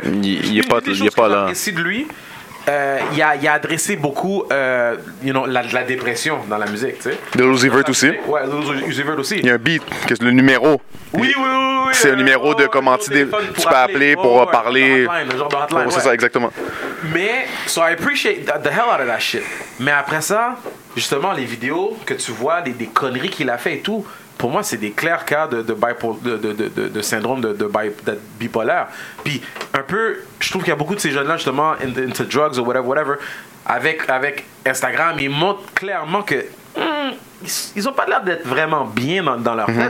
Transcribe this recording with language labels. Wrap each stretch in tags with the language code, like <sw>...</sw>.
<fr>Il est pas là. Une des choses qu'on apprécie de lui... Il a adressé beaucoup</fr> <en>you know,</en> <fr>la dépression dans la musique, tu sais. De Lil Uzi Vert aussi. Ouais, Lil Uzi Vert aussi. Il y a un beat, que c'est le numéro. Oui. C'est un numéro de comment tu peux appeler pour parler. Le genre de hotline. C'est ça, exactement. Mais,</fr> <en>so I appreciate the hell out of that shit.</en> <fr>Mais après ça, justement, les vidéos que tu vois, des conneries qu'il a fait et tout, pour moi, c'est des clairs cas de syndrome de bipolaire. Puis, un peu, je trouve qu'il y a beaucoup de ces jeunes-là, justement,</fr> <en>into drugs or whatever,</en> <fr>avec Instagram, ils montrent clairement que ils ont pas l'air d'être vraiment bien dans leur tête. Mm-hmm.</fr>